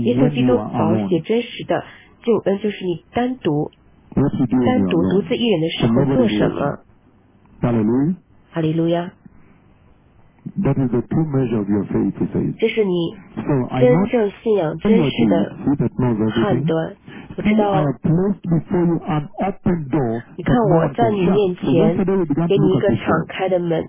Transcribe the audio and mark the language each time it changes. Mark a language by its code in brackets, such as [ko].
[zh] 耶稣基督保险真实的救恩就是你单独独自一人的时候做什么。哈利路亚。 [en] That is the true measure of your faith, he says. [zh] 这是你真正信仰真实的判断。我知道，你看我在你面前给你一个敞开的门。